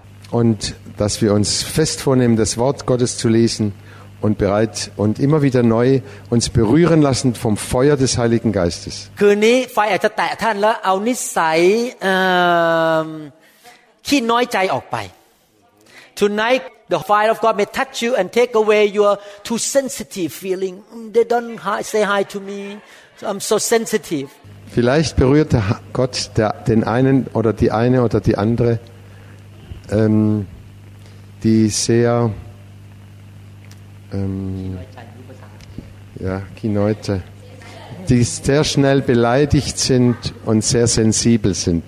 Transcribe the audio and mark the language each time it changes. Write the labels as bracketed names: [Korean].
[German] Und dass wir uns fest vornehmen, das Wort Gottes zu lesen,und bereit und immer wieder neu uns berühren lassen vom Feuer des Heiligen Geistes. [English] Tonight the fire of God may touch you and take away your too sensitive feeling. They don't say hi to me. I'm so sensitive. [German] Vielleicht berührt Gott den einen oder die eine oder die andere, die sehr... ja, die Leute, die sehr schnell beleidigt sind und sehr sensibel sind.